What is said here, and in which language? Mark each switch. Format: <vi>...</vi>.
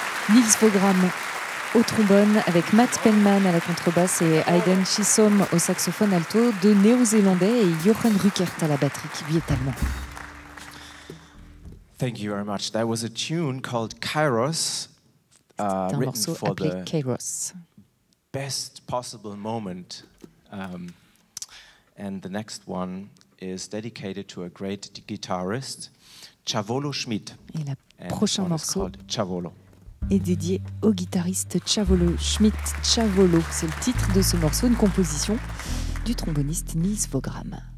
<fr>Nils Bogram au trombone, avec Matt Penman à la contrebasse et Aiden Chisholm au saxophone alto, deux néo-zélandais et Jochen Rückert à la batterie, qui lui est allemand.</fr> <en>Thank you very much. That was a tune called Kairos, written for the Kairos. Best possible moment. And the next one is dedicated to a great guitarist, Chavolo Schmidt.</en> <fr>Et le prochain morceau Chavolo. Est dédié au guitariste Chavolo Schmidt. Chavolo, c'est le titre de ce morceau, une composition du tromboniste Nils Bogram.</fr>